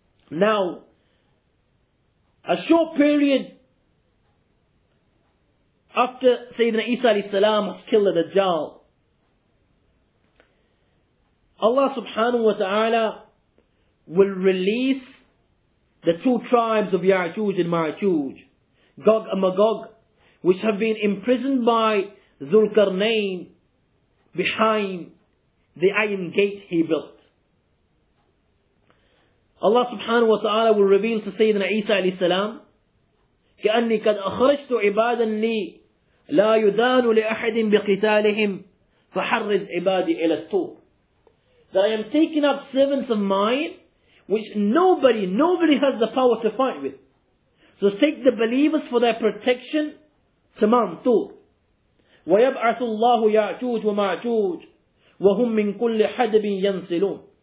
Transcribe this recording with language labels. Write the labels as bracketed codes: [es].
[en] Now, a short period after Sayyidina Isa alayhi salam has killed the Dajjal, Allah subhanahu wa ta'ala will release the two tribes of Ya'juj and Ma'juj, Gog and Magog, which have been imprisoned by Dhulqarnayn behind the iron gate he built. Allah subhanahu wa ta'ala will reveal to Sayyidina Isa alayhi salam, [ar] كَأَنِّي قَدْ أَخْرَجْتُ عِبَادًا لِي لَا يُدَانُ لِأَحَدٍ بِقِتَالِهِمْ فَحَرِّدْ عِبَادِي إِلَى الطُّورِ. [en] That I am taking up servants of mine, which nobody has the power to fight with. So take the believers for their protection to Mount Tur. [ar] وَيَبْعَثُ اللَّهُ يَعْجُوجُ وَمَعْجُوجُ وَهُمْ مِنْ كُلِّ حَدَبٍ يَنْسِلُونَ.